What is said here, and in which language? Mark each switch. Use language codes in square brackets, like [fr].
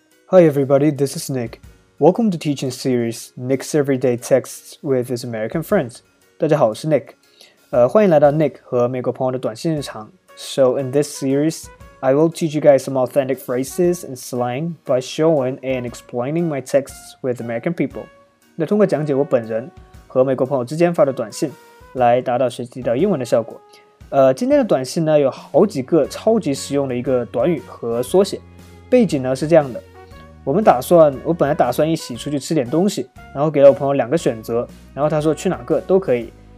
[en] Hi everybody, this is Nick. Welcome to teaching series Nick's Everyday Texts with His American Friends. [zh] 大家好，我是 Nick。欢迎来到 Nick 和美国朋友的短信日常。 [en] So in this series, I will teach you guys some authentic phrases and slang by showing and explaining my texts with American people. [zh] 那通过讲解我本人和美国朋友之间发的短信，来达到学习到英文的效果。今天的短信呢，有好几个超级实用的一个短语和缩写。背景呢是这样的。我本来打算一起出去吃点东西，然后给了我朋友两个选择，然后他说去哪个都可以。